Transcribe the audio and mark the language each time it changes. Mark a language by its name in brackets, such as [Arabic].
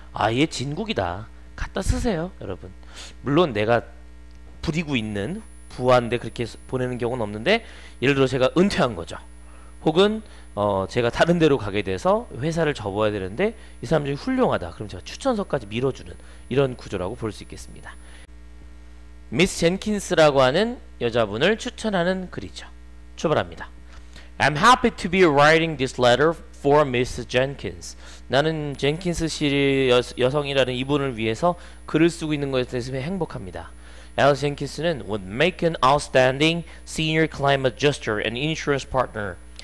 [Korean] 아, 얘 진국이다. 갖다 쓰세요, 여러분. 물론 내가 부리고 있는 부하인데 그렇게 보내는 경우는 없는데 예를 들어 제가 은퇴한 거죠. 혹은 제가 다른 데로 가게 돼서 회사를 접어야 되는데 이 사람 중에 훌륭하다. 그럼 제가 추천서까지 밀어주는 이런 구조라고 볼 수 있겠습니다. 미스 젠킨스라고 하는 여자분을 추천하는 글이죠. 출발합니다. [English] I'm happy to be writing this letter for Miss Jenkins. [Korean] 나는 젠킨스 씨 여성이라는 이분을 위해서 글을 쓰고 있는 것에 대해서 행복합니다. [English] Alice Jenkins는 would make an outstanding senior claim adjuster and insurance partner.